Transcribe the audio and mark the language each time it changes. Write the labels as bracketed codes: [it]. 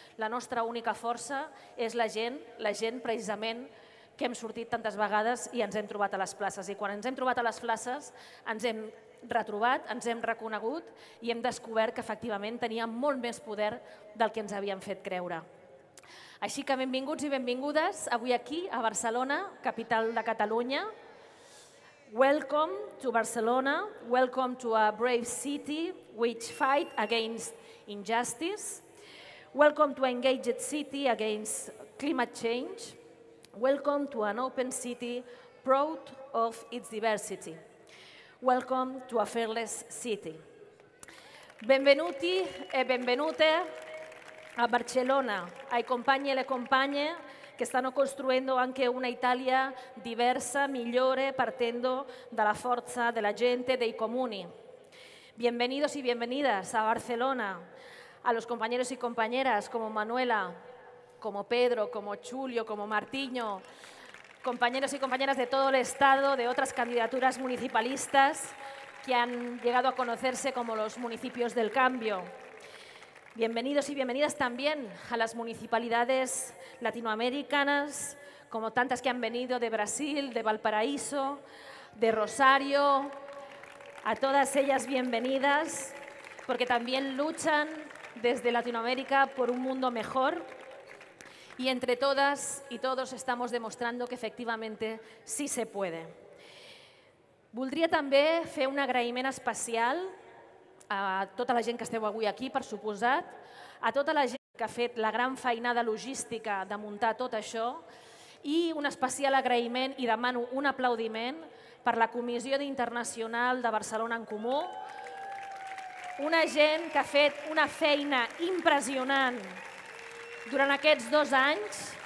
[ca] La nostra única força és la gent precisament que hem sortit tantes vegades i ens hem trobat a les places. I quan ens hem trobat a les places, ens hem retrobat, ens hem reconegut i hem descobert que efectivament teníem molt més poder del que ens havien fet creure. Així que benvinguts i benvingudes avui aquí a Barcelona, capital de Catalunya. [en] Welcome to Barcelona, welcome to a brave city which fight against injustice. Welcome to an engaged city against climate change. Welcome to an open city proud of its diversity. Welcome to a fearless city. [it] Benvenuti e benvenute a Barcelona, ai compagni e le compagne che stanno costruendo anche una Italia diversa, migliore, partendo dalla forza della gente, dei comuni. [es] Bienvenidos y bienvenidas a Barcelona, a los compañeros y compañeras como Manuela, como Pedro, como Julio, como Martiño, compañeros y compañeras de todo el Estado, de otras candidaturas municipalistas que han llegado a conocerse como los municipios del cambio. Bienvenidos y bienvenidas también a las municipalidades latinoamericanas, como tantas que han venido de Brasil, de Valparaíso, de Rosario. A todas ellas bienvenidas, porque también luchan desde Latinoamérica por un mundo mejor. Y entre todas y todos estamos demostrando que efectivamente sí se puede. [ca] Voldria també fer un agraïment especial a tota la gent que esteu avui aquí, per suposat, a tota la gent que ha fet la gran feinada logística de muntar tot això i un especial agraïment i demano un aplaudiment per la Comissió Internacional de Barcelona en Comú, una gent que ha fet una feina impressionant durant aquests 2 anys,